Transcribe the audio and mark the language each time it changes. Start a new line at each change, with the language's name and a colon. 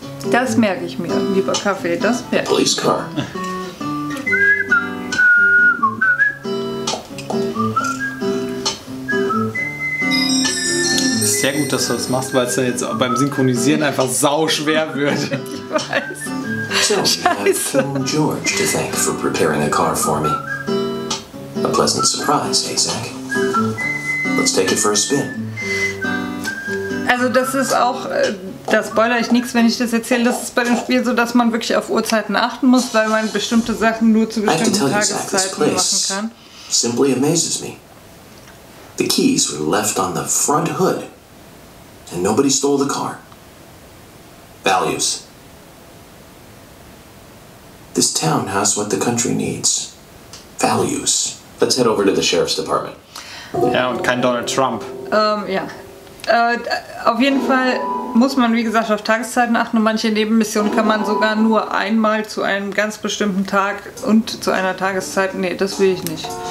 German: Das merke ich mir, lieber Kaffee, das merke ich mir. Sehr gut, dass du das machst, weil es ja jetzt beim Synchronisieren einfach sau schwer wird. Ich weiß. Scheiße.
English: George to thank for preparing a car for me. A pleasant surprise, hey Zach. Let's take it for a spin.
German: Also das ist auch, das spoilere ich nichts, wenn ich das erzähle. Das ist bei dem Spiel so, dass man wirklich auf Uhrzeiten achten muss, weil man bestimmte Sachen nur zu bestimmten Tageszeiten machen kann.
English: Simply amazes me. The keys were left on the front hood. And nobody stole the car. Values. This town has what the country needs. Values. Let's head over to the Sheriff's Department.
German: Ja, und kein Donald Trump. Ja. Auf jeden Fall muss man, wie gesagt, auf Tageszeiten achten. Und manche Nebenmissionen kann man sogar nur einmal zu einem ganz bestimmten Tag und zu einer Tageszeit. Nee, das will ich nicht.